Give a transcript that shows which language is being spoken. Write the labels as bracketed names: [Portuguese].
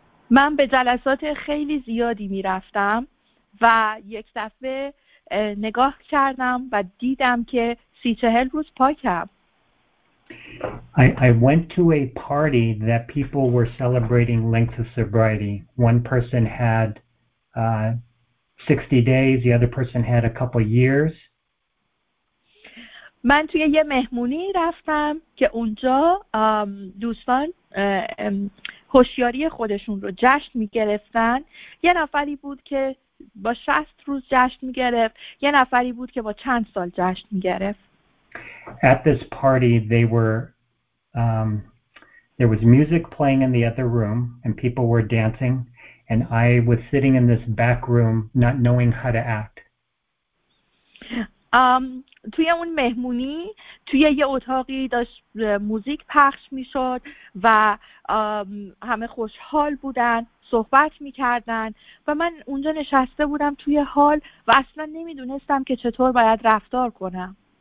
[Persian] من به جلسات خیلی زیادی می رفتم و یک دفعه نگاه کردم و دیدم که 30-40 روز پاکم. [English] I went to a party that people were celebrating length of sobriety. One person had 60 days, the other person had a couple years. [Persian] من توی یه مهمونی رفتم که اونجا دوستان هوشیاری خودشون رو جشن می‌گرفتن. یه نفری بود که با 60 روز جشن می‌گرفت، یه نفری بود که با چند سال جشن می‌گرفت. [English] At this party they were there was music playing in the other room and people were dancing and I was sitting in this back room not knowing how to act. [Persian] توی اون مهمونی توی یه اتاقی داشت موزیک پخش میشد و همه خوشحال بودن، صحبت میکردن و من اونجا نشسته بودم توی حال و اصلا نمیدونستم که چطور باید رفتار کنم.